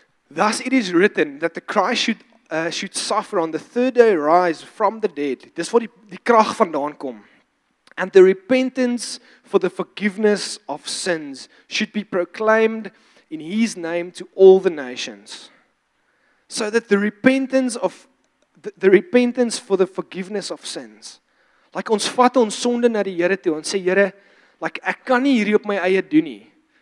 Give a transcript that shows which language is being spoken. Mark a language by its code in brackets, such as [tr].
[en] "Thus it is written that the Christ should suffer on the third day rise from the dead." [af] Dis waar die krag vandaan kom. [en] "And the repentance for the forgiveness of sins should be proclaimed in his name to all the nations. So that the repentance for the forgiveness of sins." [af] Like ons vat ons sonde na die Here toe en sê, "Here, like ek kan nie hierdie op my eie doen nie.